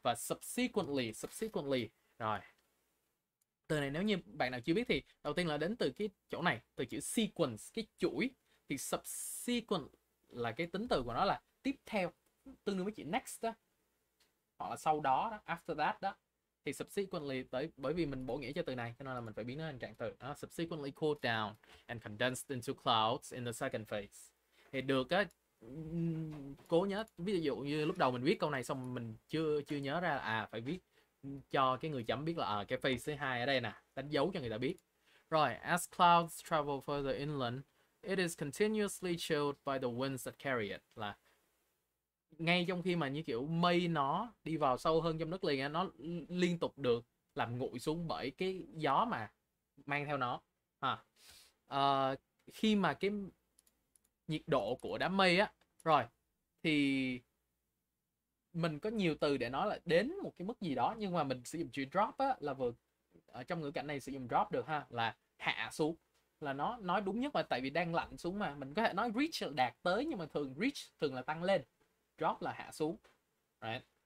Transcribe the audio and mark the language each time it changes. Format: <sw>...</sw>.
<vi>Và subsequently. Rồi. Từ này nếu như bạn nào chưa biết thì đầu tiên là đến từ cái chỗ này, từ chữ sequence, cái chuỗi. Thì subsequent là cái tính từ của nó là tiếp theo, tương đương với chữ next đó, hoặc là sau đó, đó,</vi> <en>after that</en> <vi>đó. Thì subsequently tới, bởi vì mình bổ nghĩa cho từ này cho nên là mình phải biến nó thành trạng từ đó.</vi> <en>Subsequently cooled down and condensed into clouds in the second phase.</en> <vi>Thì được á, cố nhớ. Ví dụ như lúc đầu mình viết câu này xong mình chưa chưa nhớ ra là, à phải viết cho cái người chấm biết là à, cái phase thứ hai ở đây nè, đánh dấu cho người ta biết.</vi> <en>Rồi, as clouds travel further inland, it is continuously chilled by the winds that carry it.</en> <vi>Là ngay trong khi mà như kiểu mây nó đi vào sâu hơn trong đất liền, nó liên tục được làm nguội xuống bởi cái gió mà mang theo nó. Khi mà cái nhiệt độ của đám mây á, rồi thì mình có nhiều từ để nói là đến một cái mức gì đó, nhưng mà mình sử dụng chữ drop á, là vừa ở trong ngữ cảnh này sử dụng drop được ha, là hạ xuống, là nó nói đúng nhất, mà tại vì đang lạnh xuống mà mình có thể nói reach là đạt tới, nhưng mà thường reach thường là tăng lên, drop là hạ xuống, right?</vi>